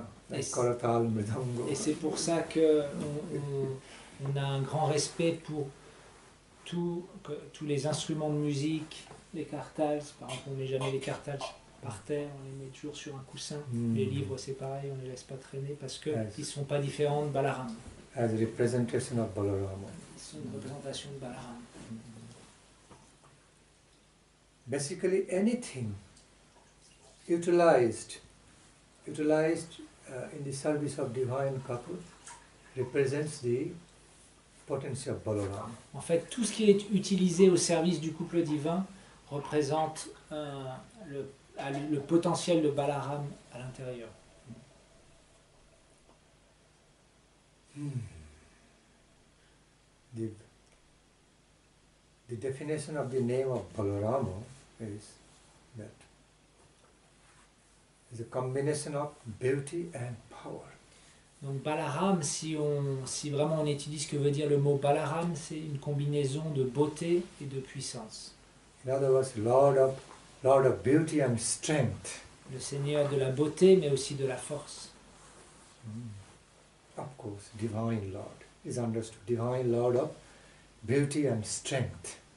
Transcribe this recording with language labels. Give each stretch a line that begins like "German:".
French: Et c'est pour ça que on a un grand respect pour tous les instruments de musique, les kartals. Par exemple, on ne met jamais les kartals par terre, on les met toujours sur un coussin. Mm. Les livres, c'est pareil, on ne les laisse pas traîner parce qu'ils ne sont pas différents de Balaram.
English: As a representation of Balaram.
French: Ils sont une représentation de Balaram. Mm.
English: Basically, anything utilized in the service of divine couple represents the potency of Balaram.
French: En fait, tout ce qui est utilisé au service du couple divin représente le potentiel de Balaram à l'intérieur.
English: The definition of the name of Balaram is that it's a combination of beauty and power.
French: Donc Balaram, si vraiment on étudie ce que veut dire le mot Balaram, c'est une combinaison de beauté et de puissance.
English: In other words, Lord of beauty and strength.
French: Le Seigneur de la beauté, mais aussi de la force. Mm.
English: Of course, divine Lord is understood. Divine Lord of beauty and strength.